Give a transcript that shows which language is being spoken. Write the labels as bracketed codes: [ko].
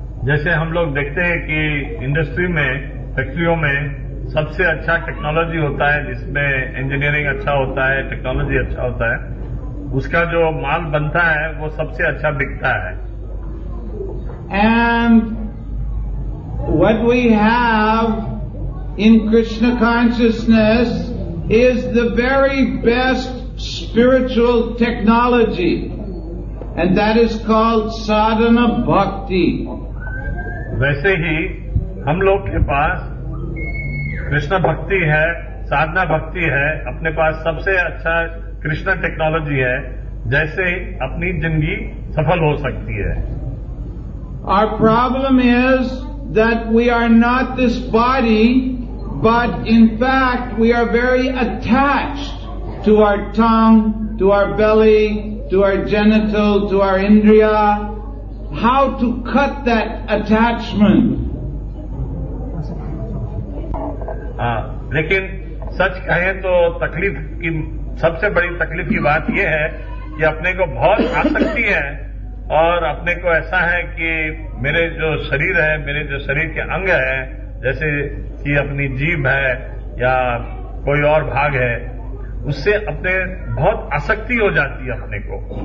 [hi] जैसे हम लोग देखते हैं कि इंडस्ट्री में फैक्ट्रियों में सबसे अच्छा टेक्नोलॉजी होता है जिसमें इंजीनियरिंग अच्छा होता है टेक्नोलॉजी अच्छा होता है उसका जो माल बनता है वो सबसे अच्छा बिकता है. [en] And what we have in Krishna consciousness is the very best spiritual technology. And that is called sadhana bhakti. [hi] वैसे ही हम लोग के पास कृष्ण भक्ति है साधना भक्ति है अपने पास सबसे अच्छा कृष्ण टेक्नोलॉजी है जैसे अपनी जिंदगी सफल हो सकती है. [en] Our problem is that we are not this body, but in fact we are very attached to our tongue, to our belly, to our genital, to our indriya. How to cut that attachment? [hi] लेकिन सच कहें तो तकलीफ की सबसे बड़ी तकलीफ की बात यह है कि अपने को बहुत आसक्ति है और अपने को ऐसा है कि मेरे जो शरीर है मेरे जो शरीर के अंग है जैसे कि अपनी जीभ है या कोई और भाग है उससे अपने बहुत आसक्ति हो जाती है अपने को.